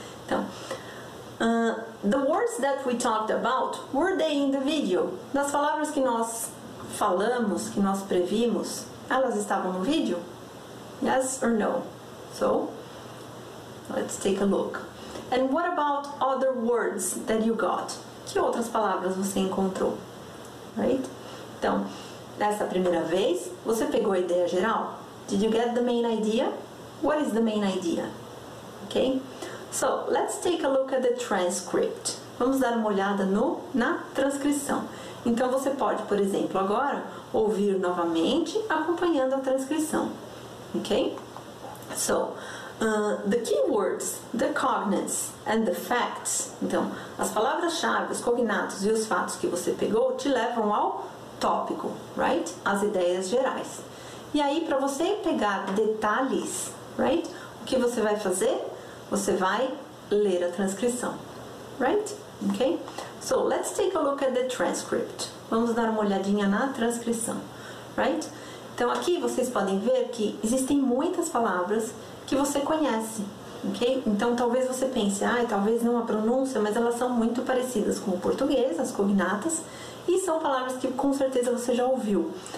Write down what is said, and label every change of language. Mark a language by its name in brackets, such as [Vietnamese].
[English] Então, the words that we talked about, were they in the video? [Portuguese] Das palavras que nós falamos, que nós previmos, elas estavam no vídeo? [English] Yes or no? So, let's take a look. And what about other words that you got? [Portuguese] Que outras palavras você encontrou? Right? Então, nessa primeira vez, você pegou a ideia geral? [English] Did you get the main idea? What is the main idea? Okay? So, let's take a look at the transcript. [Portuguese] Vamos dar uma olhada na transcrição. Então, você pode, por exemplo, agora, ouvir novamente acompanhando a transcrição. [English] Okay? So, the keywords, the cognates, and the facts, [Portuguese] então, as palavras-chave, os cognatos e os fatos que você pegou te levam ao tópico, right? As ideias gerais. E aí, para você pegar detalhes, right? O que você vai fazer? Você vai ler a transcrição, right? Okay? So, let's take a look at the transcript. Vamos dar uma olhadinha na transcrição, right? Então, aqui vocês podem ver que existem muitas palavras que você conhece, ok? Então, talvez você pense, talvez não a pronúncia, mas elas são muito parecidas com o português, as cognatas, e são palavras que com certeza você já ouviu.